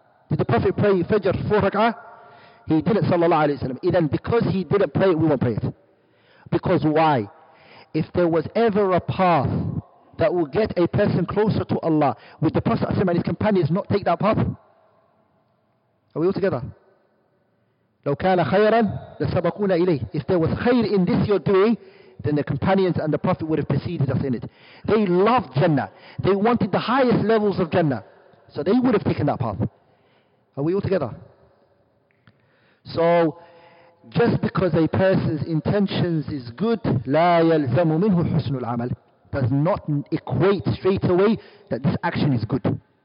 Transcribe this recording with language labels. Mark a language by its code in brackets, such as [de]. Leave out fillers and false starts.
[en] Did the Prophet pray Fajr 4 rak'ah? He didn't, sallallahu alayhi wa sallam. Then, because he didn't pray it, we won't pray it. Because why? If there was ever a path that will get a person closer to Allah, would the Prophet and his companions not take that path? Are we all together? [ar] لو كان خيرا لسبقونا إليه. [en] If there was khair in this you're doing, then the companions and the Prophet would have preceded us in it. They loved Jannah. They wanted the highest levels of Jannah. So they would have taken that path. Are we all together? So, just because a person's intentions is good, [ar] لا يلزم منه حسن العمل, [en] does not equate straight away that this action is good.